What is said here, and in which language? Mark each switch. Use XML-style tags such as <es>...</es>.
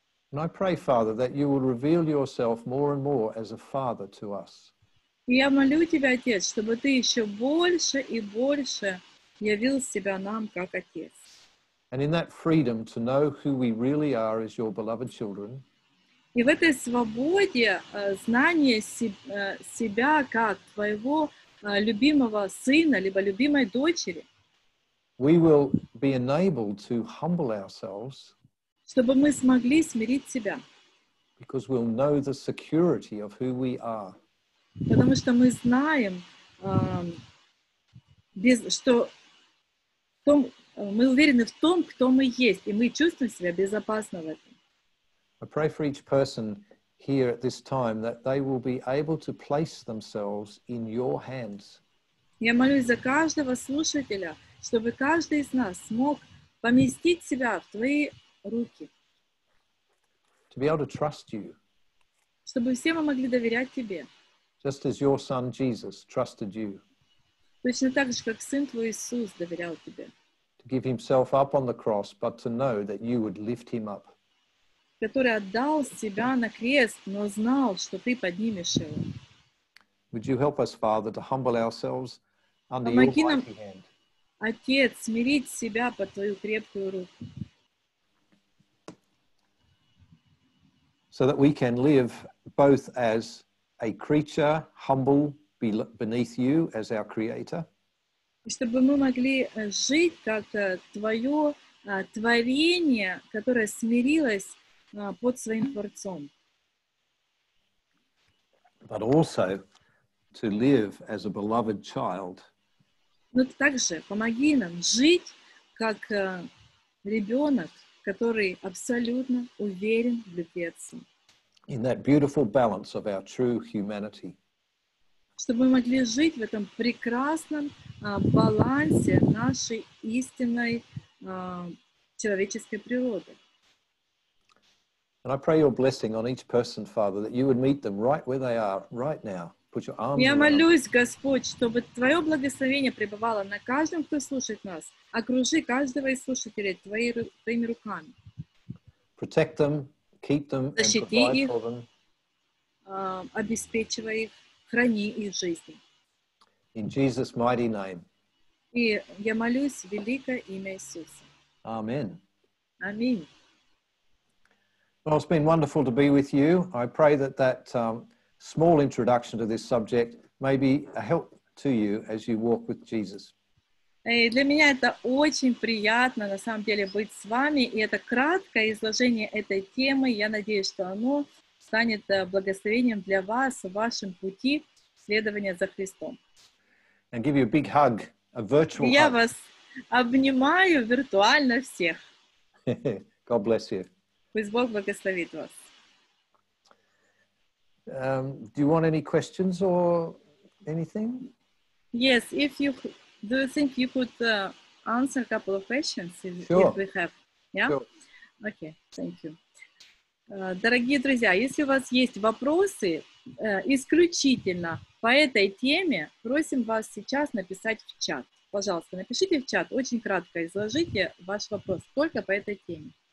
<en>And I pray, Father, that you will reveal yourself more and more as a father to us.</en> <ru>Я молю тебя, Отец, чтобы ты еще больше и больше явил себя нам как отец.</ru> <en>And in that freedom to know who we really are as your beloved children.</en> <ru>И в этой свободе знания себя как твоего любимого сына либо любимой дочери.</ru> <en>We will be enabled to humble ourselves.</en> <ru>Чтобы мы смогли смирить себя.</ru> <en>Because we'll know the security of who we are.</en> <ru>Потому что мы знаем, мы уверены в том, кто мы есть, и мы чувствуем себя безопасно в этом.</ru> <en>I pray for each person here at this time that they will be able to place themselves in your hands.</en> <ru>Я молюсь за каждого слушателя, чтобы каждый из нас смог поместить себя в твои руки.</ru> <en>To be able to trust you.</en> <ru>Чтобы все мы могли доверять тебе.</ru> <en>Just as your son Jesus trusted you.</en> <ru>Точно так же, как сын твой Иисус доверял тебе.</ru> <en>To give himself up on the cross, but to know that you would lift him up.</en> <ru>Который отдал себя на крест, но знал, что ты поднимешь его.</ru> <en>Would you help us, Father, to humble ourselves under your mighty hand?</en> <ru>Отец, смирить себя под твою крепкую руку.</ru> <en>So that we can live both as a creature humble beneath you as our creator.</en> <ru>Чтобы мы могли жить как твое творение, которое смирилось под своим творцом.</ru> <en>But also to live as a beloved child.</en> <ru>Но также помоги нам жить как ребенок, который абсолютно уверен в любви отца.</ru> <en>In that beautiful balance of our true humanity.</en> <ru>Чтобы мы могли жить в этом прекрасном балансе нашей истинной человеческой природы.</ru> <en>And I pray your blessing on each person, Father, that you would meet them right where they are, right now. put your arms around.</en> <ru>Я молюсь, Господь, чтобы Твое благословение пребывало на каждом, кто слушает нас. Окружи каждого из слушателей Твоими руками.</ru> <en>Protect them, keep them,</en> <ru>защити</ru> <en>and provide</en> <ru>их,</ru> <en>for them.</en> <ru>Обеспечивай их, храни их жизни.</ru> <en>In Jesus' mighty name.</en> <ru>И я молюсь в великое имя Иисуса.</ru> <en>Amen.</en> <ru>Amen.</ru> <en>Well, it's been wonderful to be with you. I pray that small introduction to this subject may be a help to you as you walk with Jesus.</en> <ru>Для меня это очень приятно, на самом деле, быть с вами. И это краткое изложение этой темы. Я надеюсь, что оно станет благословением для вас в вашем пути следования за Христом.</ru> <en>And give you a big hug, a virtual hug.</en> <ru>Я вас обнимаю виртуально всех.</ru> <en>God bless you.</en> <ru>Пусть Бог благословит вас.</ru> <en>Do you want any questions or anything? Yes, if you do, you think you could answer a couple of questions if, sure. if we have. Yeah. Sure. Okay. Thank you.</en> <ru>Дорогие друзья, если у вас есть вопросы исключительно по этой теме, просим вас сейчас написать в чат. Пожалуйста, напишите в чат. Очень кратко изложите ваш вопрос только по этой теме.</ru>